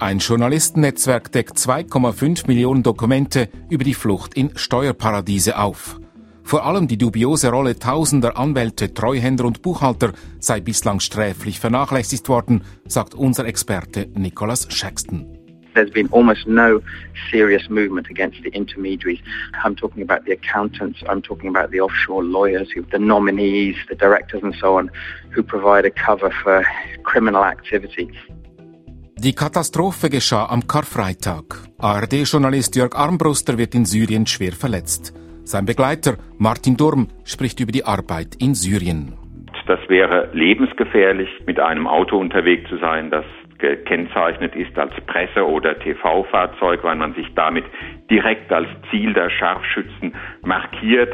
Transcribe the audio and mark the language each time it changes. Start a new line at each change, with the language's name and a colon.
German: Ein Journalistennetzwerk deckt 2,5 Millionen Dokumente über die Flucht in Steuerparadiese auf. Vor allem die dubiose Rolle tausender Anwälte, Treuhänder und Buchhalter sei bislang sträflich vernachlässigt worden, sagt unser Experte Nicholas Shaxton.
English: There's been almost no serious movement against the intermediaries. I'm talking about the accountants, I'm talking about the offshore lawyers, the nominees, the directors and so on, who provide a cover for criminal activity.
German: Die Katastrophe geschah am Karfreitag. ARD-Journalist Jörg Armbruster wird in Syrien schwer verletzt. Sein Begleiter Martin Durm spricht über die Arbeit in Syrien. Das wäre lebensgefährlich, mit einem Auto unterwegs zu sein, das gekennzeichnet ist als Presse- oder TV-Fahrzeug, weil man sich damit direkt als Ziel der Scharfschützen markiert.